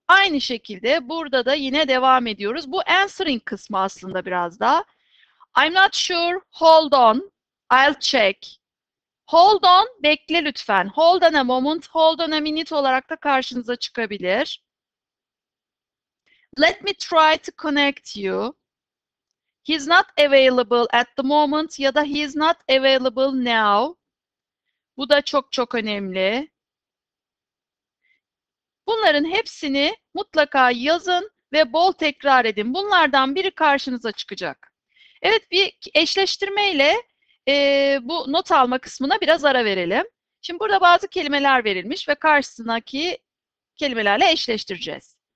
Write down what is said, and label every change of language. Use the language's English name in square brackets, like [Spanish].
[Turkish] Aynı şekilde burada da yine devam ediyoruz. Bu answering kısmı aslında biraz daha. [English] I'm not sure. Hold on. I'll check. Hold on, [Turkish] bekle lütfen. [English] Hold on a moment, hold on a minute [Turkish] olarak da karşınıza çıkabilir. [English] Let me try to connect you. He's not available at the moment [Turkish] ya da [English] he's not available now. [Turkish] Bu da çok çok önemli. Bunların hepsini mutlaka yazın ve bol tekrar edin. Bunlardan biri karşınıza çıkacak. Evet, bir eşleştirmeyle bu not alma kısmına biraz ara verelim. Şimdi burada bazı kelimeler verilmiş ve karşısındaki kelimelerle eşleştireceğiz.